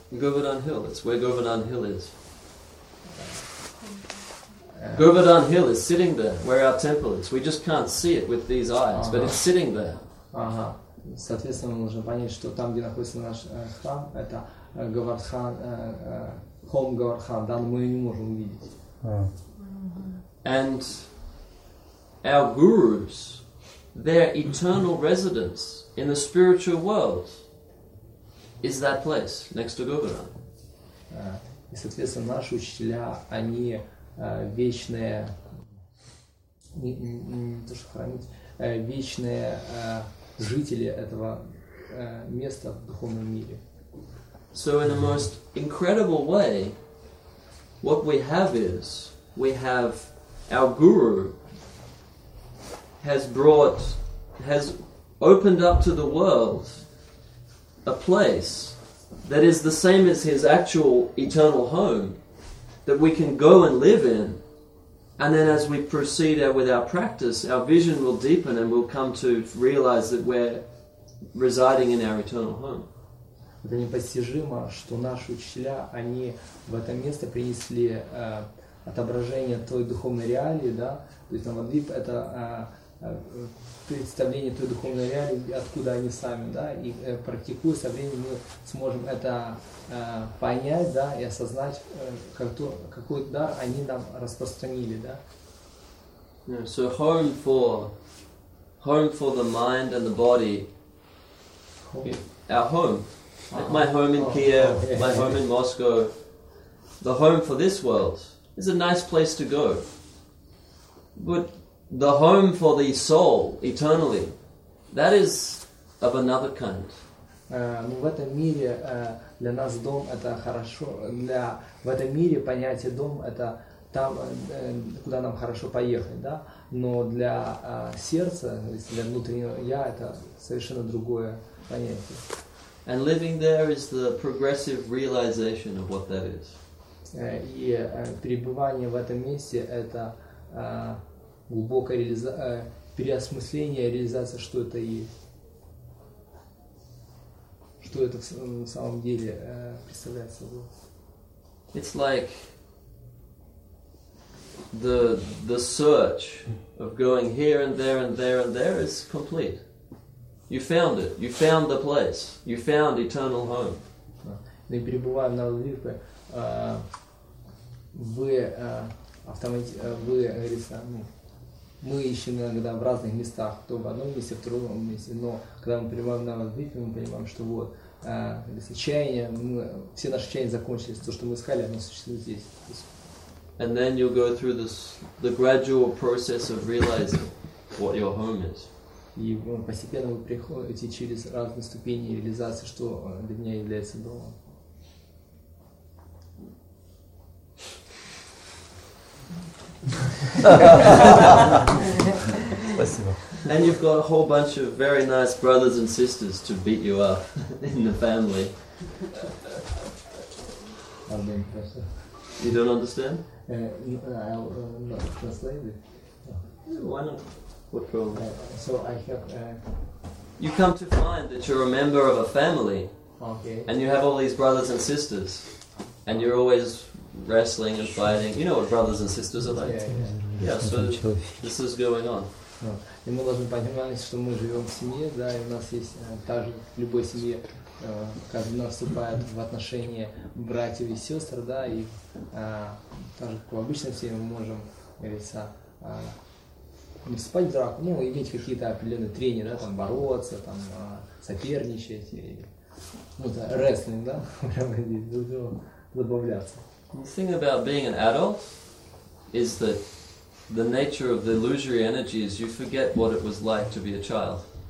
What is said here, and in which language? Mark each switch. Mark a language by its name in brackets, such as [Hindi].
[English] Govardhan Hill, it's where Govardhan Hill is. Govardhan Hill is sitting there, where our temple is. We just can't see it with these eyes, but it's sitting there. [Russian] Соответственно, мы должны понять, что там, где находится наш храм, это Говардхан, Хом Говардхан, да, мы не можем увидеть. [English] And our gurus, their eternal residence in the spiritual world is that place next to Govardhan. [Russian] И соответственно наши учителя, они вечные, не то что хранить, вечные жители этого места в духовном мире. [English] So in the most incredible way, what we have is, we have our guru has opened up to the world a place that is the same as his actual eternal home that we can go and live in, and then as we proceed with our practice, our vision will deepen and we'll come to realize that we're residing in our eternal home. [Russian] Это непостижимо, что наши учителя, они в это место принесли отображение той духовной реалии, да, то есть Навадвип — это представление той духовной реалии, откуда они сами, да, и практикуя со временем мы сможем это понять, да, и осознать, какой дар они нам распространили, да. [English] Yeah, so home for the mind and the body. Home. Our home. Like my home in Kiev, my home in Moscow, the home for this world is a nice place to go. But the home for the soul, eternally, that is of another kind. [Russian] В этом мире для нас дом — это хорошо. В этом мире понятие дом — это там, куда нам хорошо поехать, да? Но для сердца, для внутреннего «я» — это совершенно другое понятие. [English] And living there is the progressive realization of what that is. [Russian] И пребывание в этом месте – это глубокое переосмысление, реализация, что это есть. Что это на самом деле представляет собой. [English] It's like the search of going here and there and there and there is complete. You found it. You found the place. You found eternal home. [Russian] Мы пребываем на Лифе, вы мы ищем иногда в разных местах, то в одном месте, в другом месте, но когда мы пребываем на Лифе, мы понимаем, что вот чаяние, все наши чаяния закончились, то, что мы искали, оно существует здесь. [English] And then you'll go through the gradual process of realizing what your home is. [Russian] И постепенно вы приходите через разные ступени реализации, что для меня является домом. Спасибо. [English] And you've got a whole bunch of very nice brothers and sisters to beat you up in the family. You don't understand? I'll translate it. Why not? What problem? So I have. You come to find that you're a member of a family. Okay. And you have all these brothers and sisters, and you're always wrestling and fighting. You know what brothers and sisters are like. Yeah. So this is going on. [Russian] И мы должны понимать, что мы живем в семье, да, и у нас есть также в любой семье, как бы наступает в отношения братьев и сестер, да, и также как в обычной семье мы можем, говорится, не вступать в драку, ну, иметь какие-то определенные трения, да, там бороться, там соперничать, и, ну, это рестлинг, да, прямо здесь друг другу забавляться. [English] The thing about being an adult is that the nature of the illusory energy is you forget what it was like to be a child.